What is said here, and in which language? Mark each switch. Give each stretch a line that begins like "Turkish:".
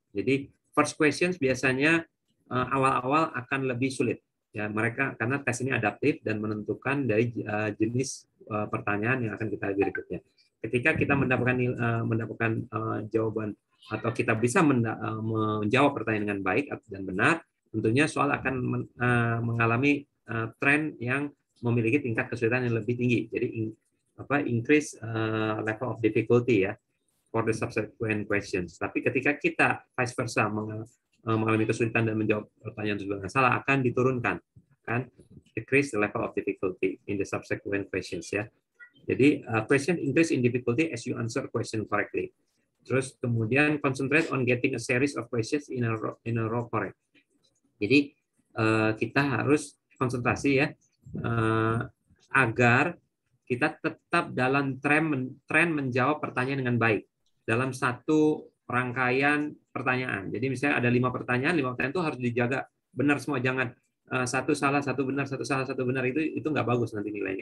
Indonesian: Jadi
English: first questions
Indonesian: biasanya awal-awal akan lebih sulit, ya, mereka karena tes ini adaptif dan menentukan dari jenis pertanyaan yang akan kita berikutnya. Ketika kita mendapatkan jawaban atau kita bisa menjawab pertanyaan dengan baik dan benar, tentunya soal akan mengalami tren yang memiliki tingkat kesulitan yang lebih tinggi. Jadi
English: increase level of difficulty, ya, for the subsequent questions.
Indonesian: Tapi ketika kita
English: vice versa
Indonesian: mengalami kesulitan dan menjawab pertanyaan tersebut dengan salah, akan diturunkan, kan,
English: decrease the level of difficulty in the subsequent questions,
Indonesian: ya. Jadi
English: question increase in difficulty as you answer question correctly.
Indonesian: Terus kemudian
English: concentrate on getting a series of questions in a row correct.
Indonesian: Jadi kita harus konsentrasi, ya, agar kita tetap dalam tren menjawab pertanyaan dengan baik dalam satu rangkaian pertanyaan. Jadi misalnya ada lima pertanyaan itu harus dijaga benar semua, jangan satu salah, satu benar, satu salah, satu benar, itu nggak bagus nanti nilainya.